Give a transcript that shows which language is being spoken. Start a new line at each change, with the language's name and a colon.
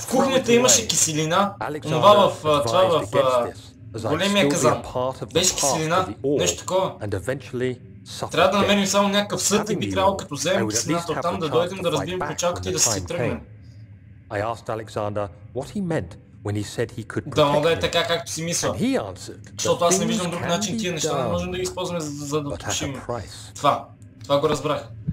Bulgarian: в кухнята имаше киселина, това в... това в... големия казан. Беше киселина, нещо такова. Трябва да намерим само някакъв съд и би трябвало като вземем киселината от там да дойдем да разбием печалката и да си тръгнем.
English: I asked Alexander what he meant when he said he could protect me.
Bulgarian: Да, но да е така както си мисля.
English: And he answered,
Bulgarian: защото аз не виждам друг начин тия неща, не можем да ги използваме за да отпушим. Това. Това го разбрах.